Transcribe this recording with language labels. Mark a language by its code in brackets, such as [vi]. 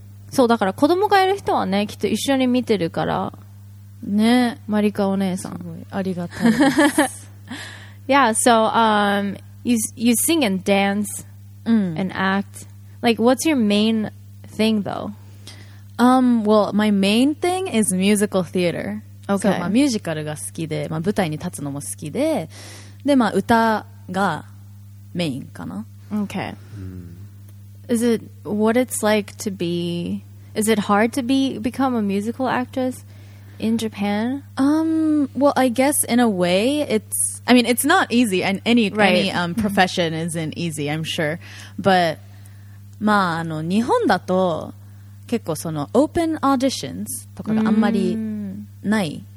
[ja] そうだから子供がいる人はね、きっと一緒に見てるからね、マリカお姉さん。すごい、ありがたい。 [en] Yeah, so you sing and dance and act. Like, what's your main thing, though? Well, my main thing is musical theater. Okay. [ja] So, ミュージカルが好きで、舞台に立つのも好きで、で、歌がメインかな。 [en] Okay. Is it what it's like to be... Is it hard to become a musical actress in Japan? Well, I guess in a way, it's not easy. And any profession isn't easy, I'm sure. But... [ja] 日本だと結構そのオープンオーディションズとかがあんまりない、